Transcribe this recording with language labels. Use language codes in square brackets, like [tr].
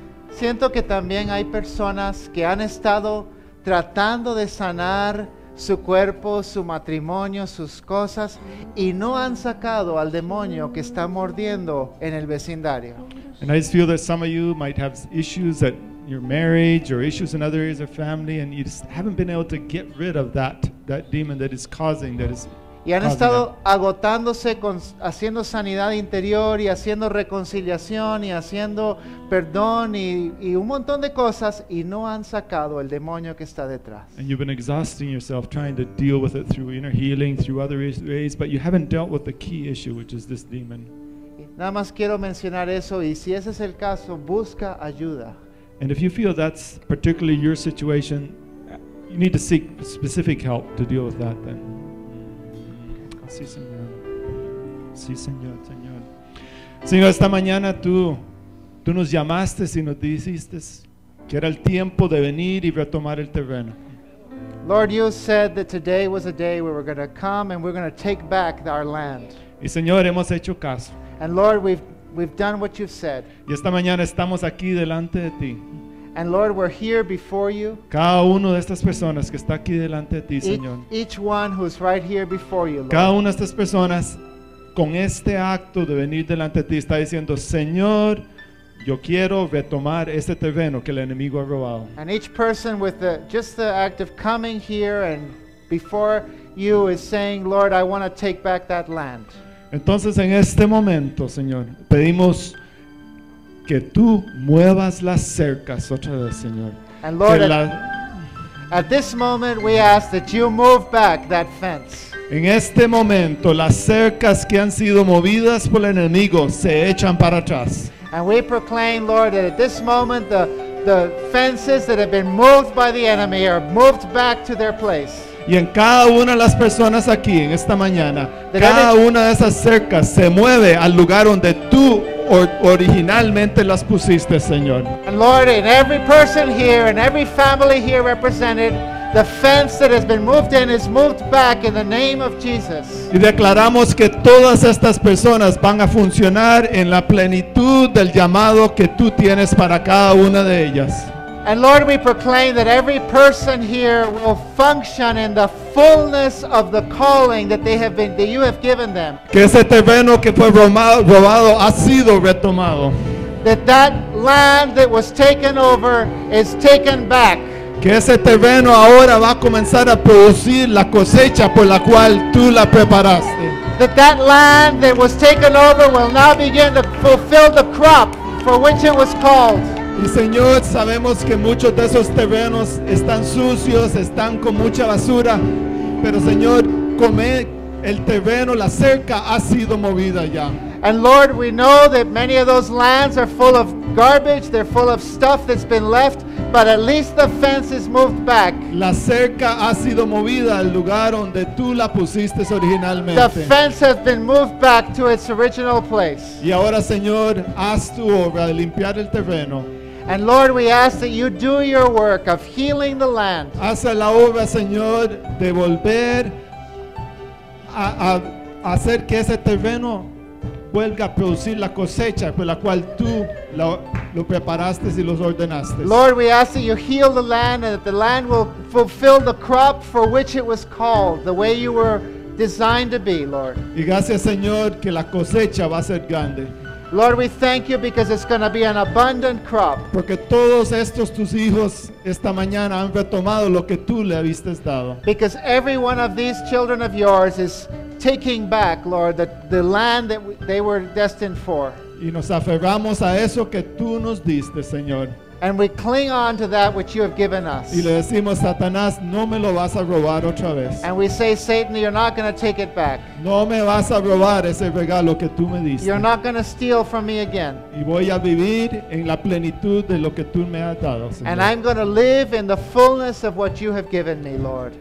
[es] Siento que también hay personas que han estado tratando de sanar su cuerpo, su matrimonio, sus cosas, y no han sacado al demonio que está mordiendo en el vecindario. [en] And I just feel that some of you might have issues at your marriage or issues in other areas of family, and you just haven't been able to get rid of that demon that is causing that is. [es] Y han estado agotándose con haciendo sanidad interior y haciendo reconciliación y haciendo perdón y un montón de cosas y no han sacado el demonio que está detrás. [en] And you've been exhausting yourself trying to deal with it through inner healing, through other ways, but you haven't dealt with the key issue, which is this demon. [es] Nada más quiero mencionar eso, y si ese es el caso, busca ayuda. [en] And if you feel that's particularly your situation, you need to seek specific help to deal with that then. [es] Sí, Señor. Sí, Señor, Señor. Señor, esta mañana tú nos llamaste y nos dijiste que era el tiempo de venir y retomar el terreno. [en] Lord, you said that today was a day we were going to come and we're going to take back our land. [es] Y Señor, hemos hecho caso. [en] And Lord, we've done what you've said. [es] Y esta mañana estamos aquí delante de ti. [en] And Lord, we're here before you. [es] Cada uno de estas personas que está aquí delante de ti, Señor. [en] Each one who's right here before you, Lord. [es] Cada una de estas personas con este acto de venir delante de ti está diciendo, Señor, yo quiero retomar este terreno que el enemigo ha robado. [en] And each person with the act of coming here and before you is saying, Lord, I want to take back that land. [es] Entonces en este momento, Señor, pedimos que tú muevas las cercas otra vez, Señor. [en] And Lord, at this moment we ask that you move back that fence. [es] En este momento, las cercas que han sido movidas por el enemigo se echan para atrás. [en] And we proclaim, Lord, that at this moment the fences that have been moved by the enemy are moved back to their place. [es] Y en cada una de las personas aquí en esta mañana, cada una de esas cercas se mueve al lugar donde tú originalmente las pusiste, Señor. [en] And Lord, in every person here and every family here represented, the fence that has been moved in is moved back in the name of Jesus. [es] Y declaramos que todas estas personas van a funcionar en la plenitud del llamado que tú tienes para cada una de ellas. [en] And Lord, we proclaim that every person here will function in the fullness of the calling that they have been, that you have given them. [es] Que ese terreno que fue robado ha sido retomado. [en] That land that was taken over is taken back. [es] Que ese terreno ahora va a comenzar a producir la cosecha por la cual tú la preparaste. [en] That land that was taken over will now begin to fulfill the crop for which it was called. [es] Y Señor, sabemos que muchos de esos terrenos están sucios, están con mucha basura, pero Señor, el terreno, la cerca ha sido movida ya. [en] And Lord, we know that many of those lands are full of garbage, they're full of stuff that's been left, but at least the fence is moved back. [es] La cerca ha sido movida al lugar donde tú la pusiste originalmente. [en] The fence has been moved back to its original place. [es] Y ahora, Señor, haz tu obra de limpiar el terreno. [en] And Lord, we ask that you do your work of healing the land. [es] Haz la obra, Señor, de volver a hacer que ese terreno vuelva a producir la cosecha por la cual tú lo preparaste y los ordenaste. [en] Lord, we ask that you heal the land and that the land will fulfill the crop for which it was called, the way you were designed to be, Lord. [es] Y gracias, Señor, que la cosecha va a ser grande. [en] Lord, we thank you because it's going to be an abundant crop. [es] Porque todos estos tus hijos esta mañana han retomado lo que tú le habiste dado. [en] Because every one of these children of yours is taking back, Lord, the land that they were destined for. [es] Y nos aferramos a eso que tú nos diste, Señor. [en] And we cling on to that which you have given us. [es] Y le decimos, Satanás, no me lo vas a robar otra vez. [en] And we say, Satan, you're not going to take it back. [es] No me vas a robar ese regalo que tú me diste. [en] You're not going to steal from me again. [es] Y voy a vivir en la plenitud de lo que tú me has dado, Señor. [en] And I'm going to live in the fullness of what you have given me, Lord.